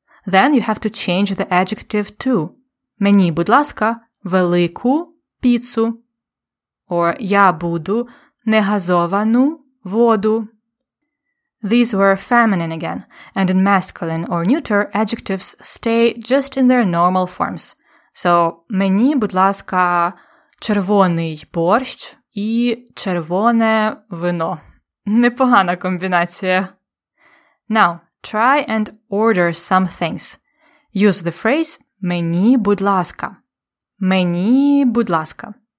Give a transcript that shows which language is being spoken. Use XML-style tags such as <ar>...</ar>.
<en>Then you have to change the adjective too.</en> <uk>Мені, будь ласка, велику піцу. Or я буду негазовану воду.</uk> <en>These were feminine again. And in masculine or neuter, adjectives stay just in their normal forms.</en> <uk>So мені, будь ласка, червоний борщ і червоне вино. Непогана комбінація.</uk> <en>Now, try and order some things. Use the phrase</en> <uk>мені, будь ласка. Мені, будь ласка.</uk>